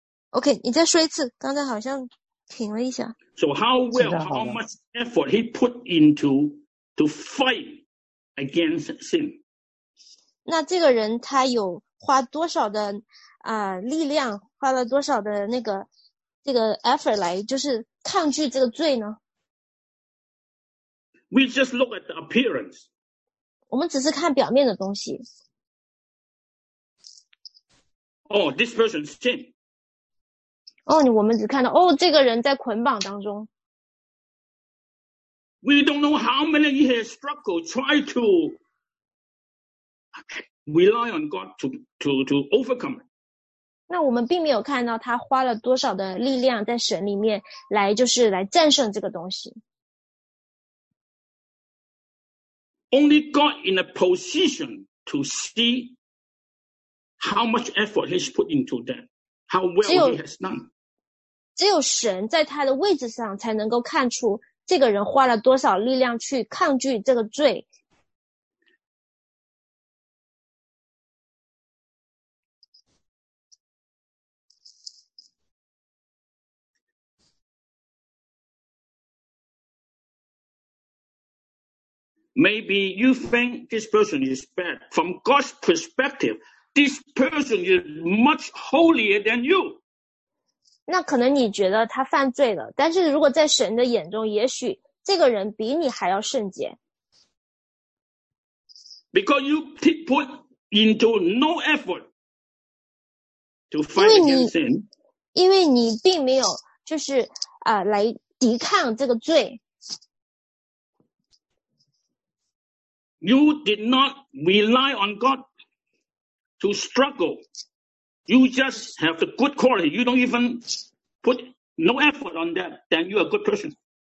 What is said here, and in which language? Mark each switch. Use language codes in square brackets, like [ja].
[zh] OK, 你再说一次刚才好像停了一下。 [en] So how well, how much effort he put into to fight against sin? [zh] 那这个人他有花多少的力量花了多少的那个这个 effort 来就是抗拒这个罪呢 [en] We just look at the appearance. [zh] 我们只是看表面的东西。 [en] Oh, this person is sin. [zh] Oh, 我们只看到哦，这个人在捆绑当中。 [en] We don't know how many he has struggled, try to rely on God to overcome. [zh] 那我们并没有看到他花了多少的力量在神里面来，就是来战胜这个东西。 [en] Only God in a position to see. How much effort he's put into that? How well he has done? [zh] 只有神在他的位置上才能够看出这个人花了多少力量去抗拒这个罪。 [en] Maybe you think this person is bad. From God's perspective,This person is much holier than you. [zh] 那可能你觉得他犯罪了，但是如果在神的眼中，也许这个人比你还要圣洁。 [en] Because you put into no effort to fight against sin. [zh] 因为你并没有就是来抵抗这个罪。 [en] You did not rely on God.To struggle you just have the good quality. You don't even put no effort on that, then you are a good person.